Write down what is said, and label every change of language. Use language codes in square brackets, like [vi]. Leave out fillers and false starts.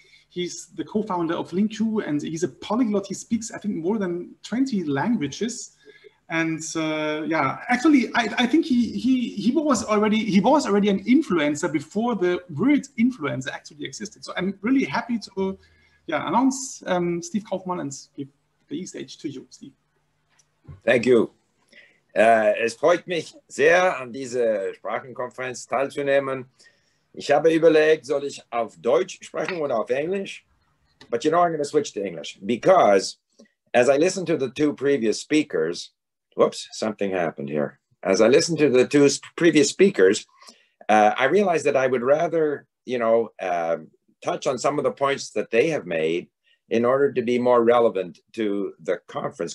[en] He's the co-founder of LingQ, and he's a polyglot. He speaks, I think, more than 20 languages. And I think he was already an influencer before the word influencer actually existed. So I'm really happy to announce Steve Kaufmann and give the stage to you, Steve. Thank you. [de] Es freut mich sehr, an dieser Sprachenkonferenz teilzunehmen. Ich habe überlegt, soll ich auf Deutsch sprechen oder auf Englisch? [en] But you know, I'm going to switch to English because as I listen to the two previous speakers, whoops, something happened here. As I listen to the two previous speakers, I realized that I would rather, you know, touch on some of the points that they have made in order to be more relevant to the conference.